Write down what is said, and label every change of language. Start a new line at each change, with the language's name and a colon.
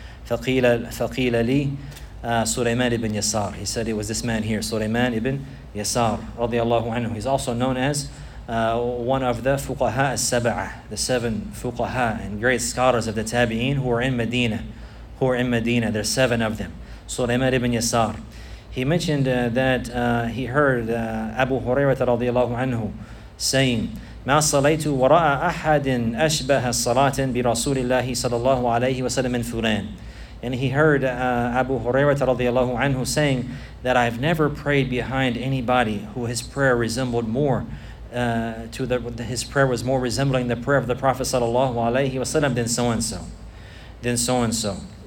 Arabic: فَقِيلَ لِي Sulaiman ibn Yasar.
English: He said it was this man here, Sulaiman ibn Yasar, radiallahu anhu. He's also known as one of the fuqaha al-saba'ah, the seven fuqaha and great scholars of the Tabi'een who are in Medina. There's seven of them. Sulaiman ibn Yasar. He mentioned that he heard Abu Hurairah radiallahu anhu saying,
Arabic: ما صليت وراء أحد أشبه الصلاة برسول الله صلى الله عليه وسلم من فلان.
English: And he heard Abu Hurairah radiallahu anhu saying that I've never prayed behind anybody who his prayer resembled more to his prayer was more resembling the prayer of the Prophet sallallahu alayhi wa sallam than so and so.